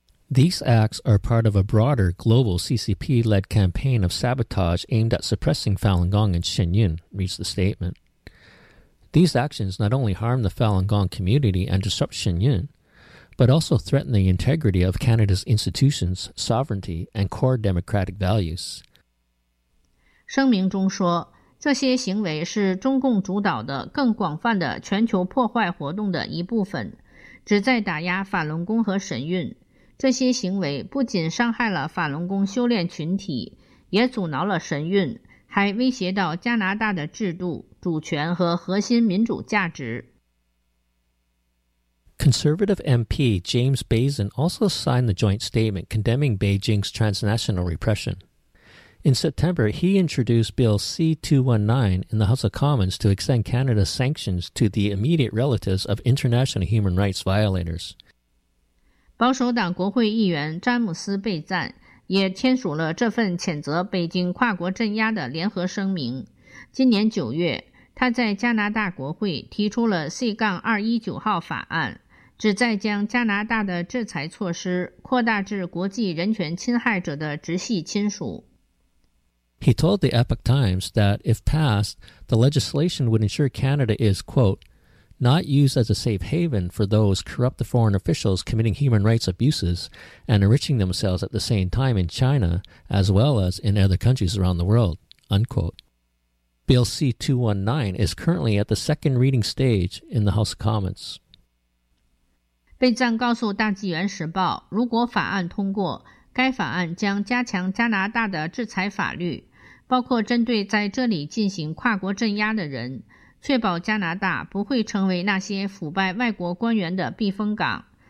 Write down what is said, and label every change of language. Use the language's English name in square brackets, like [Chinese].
[English] These acts are part of a broader global CCP-led campaign of sabotage aimed at suppressing Falun Gong and Shenyun, reads the statement. These actions not only harm the Falun Gong community and disrupt Shenyun,but also threaten the integrity of Canada's institutions, sovereignty, and core democratic values. [Chinese] 声明中说，这些行为是中共主导的更广泛的全球破坏活动的一部分，旨在打压法轮功和神韵。这些行为不仅伤害了法轮功修炼群体，也阻挠了神韵，还威胁到加拿大的制度、主权和核心民主价值。 [English] Conservative MP James Bazin also signed the joint statement condemning Beijing's transnational repression. In September, he introduced Bill C-219 in the House of Commons to extend Canada's sanctions to the immediate relatives of international human rights violators. [Chinese] 保守党国会议员詹姆斯·贝赞也签署了这份谴责北京跨国镇压的联合声明。今年九月，他在加拿大国会提出了 C-219 号法案，旨在将加拿大的制裁措施扩大至国际人权侵害者的直系亲属。 [English] He told the Epoch Times that if passed, the legislation would ensure Canada is, quote, not used as a safe haven for those corrupt foreign officials committing human rights abuses and enriching themselves at the same time in China as well as in other countries around the world, unquote. Bill C-219 is currently at the second reading stage in the House of Commons. [Chinese] 贝赞告诉大纪元时报，如果法案通过，该法案将加强加拿大的制裁法律，包括针对在这里进行跨国镇压的人，确保加拿大不会成为那些腐败外国官员的避风港。